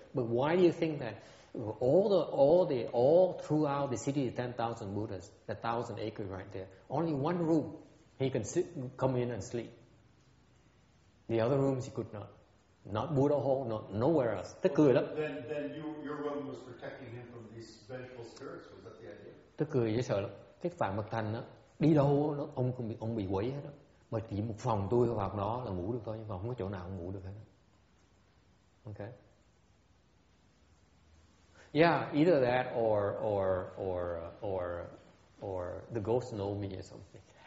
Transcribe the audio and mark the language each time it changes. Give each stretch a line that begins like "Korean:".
English: But why do you think that all throughout the city of 10,000 Buddhas, the 1,000 acres right there, only one room he can sit, come in and sleep. The other rooms he could not. Not Buddha Hall, not nowhere else.
Vietnamese: Tức cười lắm.
English: Then your room was protecting him from these vengeful spirits. Was that the idea?
Vietnamese: Tức cười dễ sợ lắm. Cái phạm mật thành đó, đi đâu đó, ông bị quấy hết đó. Mà chỉ một phòng tôi ở phòng đó là ngủ được thôi, nhưng mà không có chỗ nào ngủ được hết. Ok.
English: Yeah, either that or the ghost know me or something.